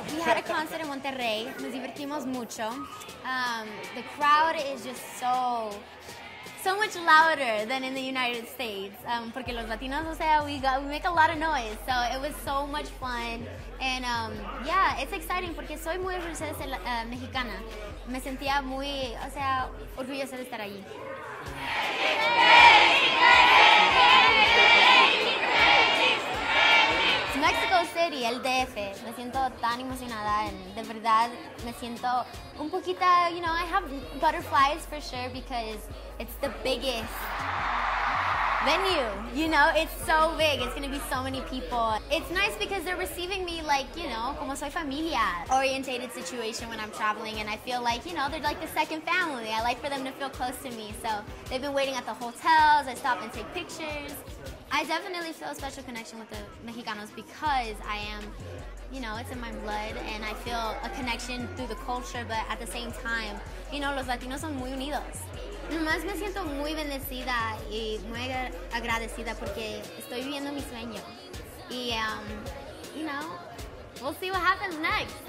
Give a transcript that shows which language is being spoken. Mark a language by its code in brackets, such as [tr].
[en] We had a concert in Monterrey. [es] Nos divertimos mucho. [en] The crowd is just so much louder than in the United States. [es] Porque los latinos, o sea, [en] we make a lot of noise. So it was so much fun. And yeah, it's exciting [es] porque soy muy orgullosa de ser mexicana. Me sentía muy, o sea, orgullosa de estar allí. Mexico City, el DF. Me siento tan emocionada. [en] And [es] de verdad, me siento un poquito, [en] you know, I have butterflies for sure because it's the biggest venue. You know, it's so big. It's going to be so many people. It's nice because they're receiving me like, you know, [es] como soy familia. [en] Orientated situation when I'm traveling. And I feel like, you know, they're like the second family. I like for them to feel close to me. So they've been waiting at the hotels. I stop and take pictures. I definitely feel a special connection with the Mexicanos because I am, you know, it's in my blood and I feel a connection through the culture, but at the same time, you know, [es] los Latinos son muy unidos. Nomás me siento muy bendecida y muy agradecida porque estoy viviendo mi sueño. [en] Y, you know, we'll see what happens next.